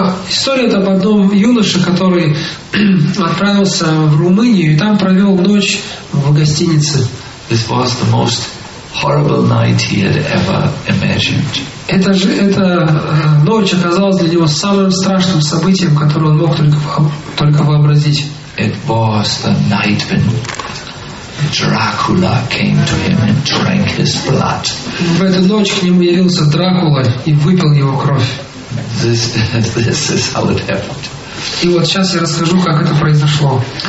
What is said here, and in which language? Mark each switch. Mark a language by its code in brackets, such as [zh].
[ru] История об одном юноше, который отправился в Румынию и там провел ночь в гостинице. [en] This was the most horrible night he had ever imagined. [ru] Эта ночь оказалась для него самым страшным событием, которое он мог только вообразить. [en] It was the night when Dracula came to him and drank his blood. [ru] В эту ночь к нему явился Дракула и выпил его кровь. [en] This is how it happened. [ru] И вот сейчас я расскажу, как это произошло.